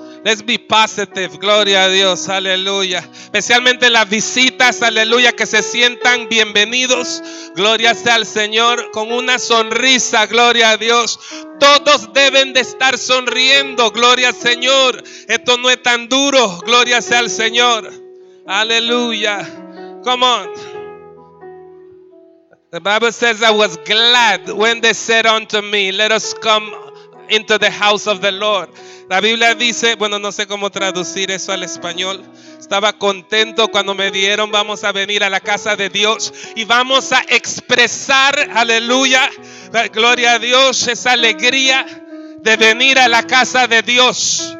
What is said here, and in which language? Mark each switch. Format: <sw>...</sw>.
<en>Let's be positive,</en> <es>gloria a Dios, aleluya. Especialmente las visitas, aleluya, que se sientan bienvenidos. Gloria sea al Señor, con una sonrisa, gloria a Dios. Todos deben de estar sonriendo, gloria al Señor. Esto no es tan duro, gloria sea al Señor.</es> <en>Aleluya. Come on. The Bible says, I was glad when they said unto me, let us come into the house of the Lord.</en> <es>La Biblia dice, bueno, no sé cómo traducir eso al español. Estaba contento cuando me dieron, vamos a venir a la casa de Dios y vamos a expresar, aleluya, gloria a Dios, esa alegría de venir a la casa de Dios.</es>